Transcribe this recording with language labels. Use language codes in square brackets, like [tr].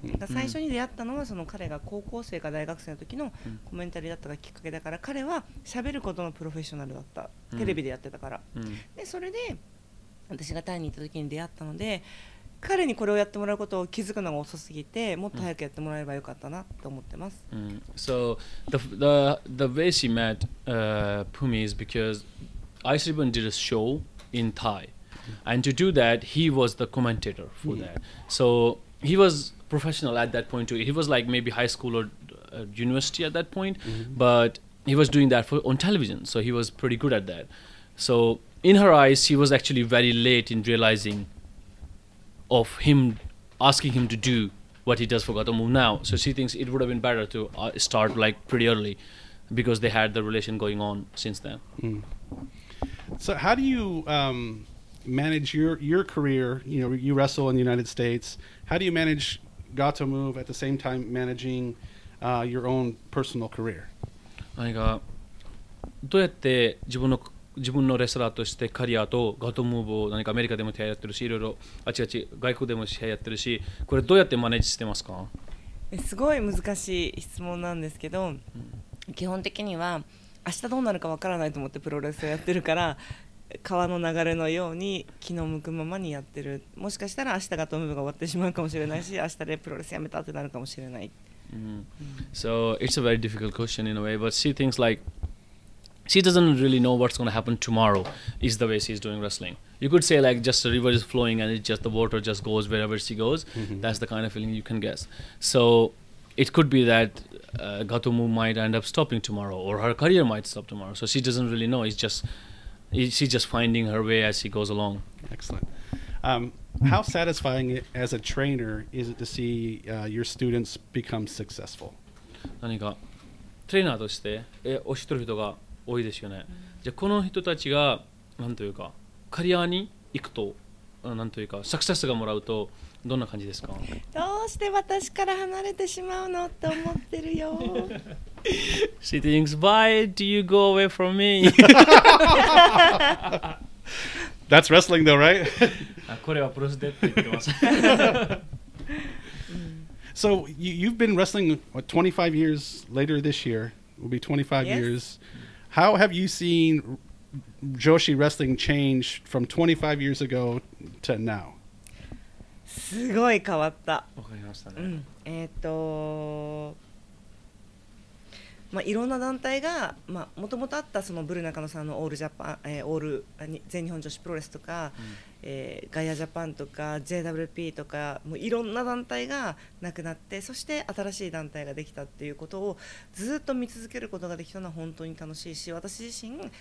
[ja] だ最初に出会ったのはその彼が高校生か大学生の時のコメンタリーだったがきっかけだから、彼は喋ることのプロフェッショナルだった。テレビでやってたから。でそれで私がタイに行った時に出会ったので、彼にこれをやってもらうことを気づくのが遅すぎて、もっと早くやってもらえればよかったなと思ってます。 [en] So the way she met Pumi is because Ice Ribbon did a show in Thai. And to do that, he was the commentator for that. So he was professional at that point too. He was like maybe high school or university at that point, but he was doing that on television. So he was pretty good at that. So in her eyes, she was actually very late in realizing of him asking him to do what he does for Gato Move now. So she thinks it would have been better to start like pretty early because they had the relation going on since then. So how do you... manage your career, you know, you wrestle in the United States. How do you manage Gato Move at the same time managing your own personal career? [ja] どうやって自分のレスラーとしてカリアとガトムーブを何かアメリカでも試合やってるし、いろいろあちあち外国でも試合やってるし、これどうやってマネージしてますか？すごい難しい質問なんですけど、基本的には明日どうなるかわからないと思ってプロレスをやってるから川の流れのように気の向くままにやってる。もしかしたら明日がトムブが終わってしまうかもしれないし、明日でプロレスやめたってなるかもしれない。 [en] So it's a very difficult question in a way, but she thinks like she doesn't really know what's going to happen tomorrow is the way she's doing wrestling. You could say like just the river is flowing and it's just the water just goes wherever she goes. That's the kind of feeling you can guess. So it could be that Gatomu might end up stopping tomorrow, or her career might stop tomorrow. So she doesn't really know. She's just finding her way as she goes along. Excellent. How satisfying as a trainer is it to see your students become successful? [ja] 何かトレーナーとして推してる人が多いですよね。じゃあこの人たちが何というかカリアに行くと何というかサクセスがもらうとどんな感じですか？どうして私から離れてしまうのって思ってるよ。 [en] She thinks, why do you go away from me? That's wrestling though, right? [ja] これはプロスデって言ってます。 [en] So you've been wrestling what, 25 years later this year, will be 25 yes. years. How have you seen Joshi wrestling change from 25 years ago to now? [ja] すごい変わった。わかりましたね。うん、まあ、いろんな団体が、まあ、もともとあったそのブル中野さんのオールジャパン、オール全日本女子プロレスとか、うん、ガイアジャパンとか JWP とかもういろんな団体がなくなってそして新しい団体ができたっていうことをずっと見続けることができたのは本当に楽しいし私自身